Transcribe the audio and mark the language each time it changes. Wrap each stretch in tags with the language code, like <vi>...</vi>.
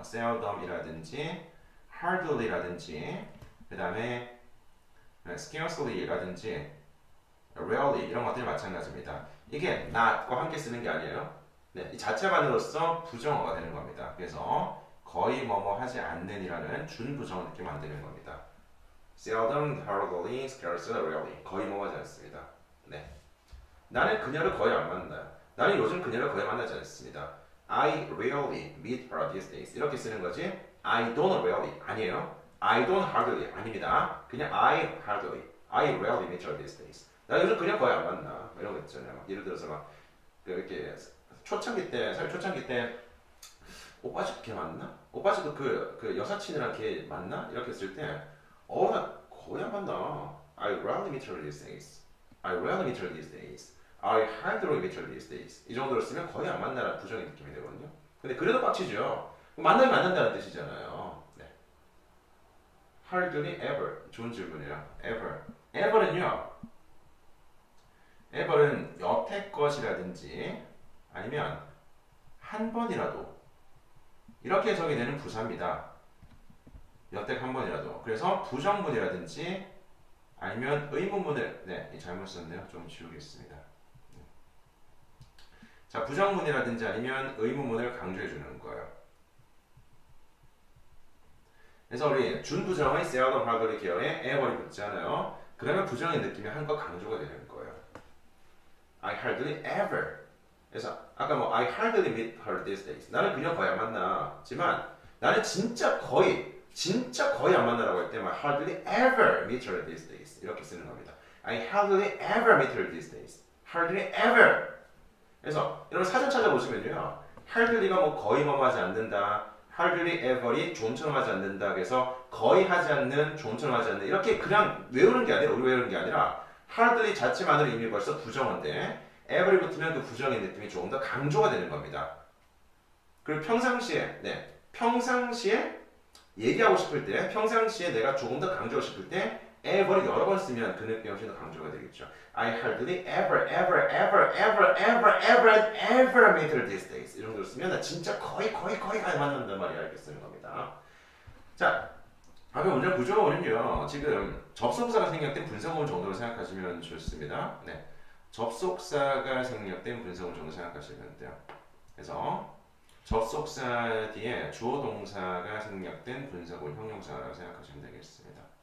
<ko>seldom이라든지 hardly라든지 그 다음에 scarcely라든지 rarely 이런 것들이 마찬가지입니다. 이게 not과 함께 쓰는 게 아니에요. 네, 이 자체만으로써 부정어가 되는 겁니다. 그래서 거의 뭐뭐 하지 않는 이라는 준부정을 이렇게 만드는 겁니다.</ko> <en>Seldom, hardly, scarcely, rarely.</en> <ko>거의 뭐뭐 하지 않습니다. 네. 나는 그녀를 거의 안 만나요. 나는 요즘 그녀를 거의 만나지 않습니다.</ko> <en>I rarely meet her these days.</en> <ko>이렇게 쓰는 거지.</ko> <en>I don't rarely.</en> <ko>아니에요.</ko> <en>I don't hardly.</en> <ko>아닙니다.</ko> <en>그냥 I hardly. I rarely meet her these days.</en> <ko>나 요즘 그녀 거의 안 만나. 이런 거 있잖아요. 막 예를 들어서 막 이렇게 초창기 때, 사실 초창기 때 오빠 집 걔 맞나? 오빠 집도 그 여사친이랑 걔 맞나? 이렇게 했을 때 나 거의 안 만나.</ko> <en>I rarely meet her these days. I rarely meet her these days. I hardly meet her these days.</en> <ko>이 정도로 쓰면 거의 안 만나라는 부정의 느낌이 되거든요. 근데 그래도 빡치죠. 만나면 만난다는 뜻이잖아요.</ko> <en>네. Hardly ever.</en> <ko>좋은 질문이에요.</ko> <en>Ever. Ever는요.</en> <ko>Ever은 여태껏이라든지 아니면 한 번이라도 이렇게 해석이 되는 부사입니다. 여태 한 번이라도. 그래서 부정문이라든지 아니면 의문문을 네, 잘못 썼네요. 좀 지우겠습니다. 자, 부정문이라든지 아니면 의문문을 강조해 주는 거예요. 그래서 우리 준부정의 세어더 하더리 기어에 에버리 붙잖아요. 그러면 부정의 느낌이 한껏 강조가 되는 거예요.</ko> <en>I hardly ever.</en> <ko>그래서 아까 뭐</ko> <en>I hardly meet her these days.</en> <ko>나는 그녀 거의 안 만나지만 나는 진짜 거의 안 만나라고 할 때</ko> <en>I hardly ever meet her these days.</en> <ko>이렇게 쓰는 겁니다.</ko> <en>I hardly ever meet her these days. Hardly ever.</en> <ko>그래서 여러분 사전 찾아보시면요. Hardly가 뭐 거의 뭐 하지 않는다. Hardly ever이 존처럼 하지 않는다. 그래서 거의 하지 않는, 존처럼 하지 않는. 이렇게 그냥 외우는 게 아니라, 우리 외우는 게 아니라, hardly 자체만으로 이미 벌써 부정어인데, ever이 붙으면 그 부정의 느낌이 조금 더 강조가 되는 겁니다. 그리고 평상시에, 네. 평상시에 얘기하고 싶을 때, 평상시에 내가 조금 더 강조하고 싶을 때, ever 여러 번 쓰면 그 느낌이 훨씬 더 강조가 되겠죠.</ko> <en>I hardly ever, ever, ever, ever, ever, ever, ever meet her these days.</en> <ko>이 정도로 쓰면 나 진짜 거의 안 만난단 말이야. 이렇게 쓰는 겁니다. 자, 앞에 문장 구조는요. 지금 접속사가 생략된 분석문 정도로 생각하시면 좋습니다. 네. 접속사가 생략된 분석문 정도 생각하시면 돼요. 그래서 접속사 뒤에 주어 동사가 생략된 분석문 형용사라고 생각하시면 되겠습니다.</ko>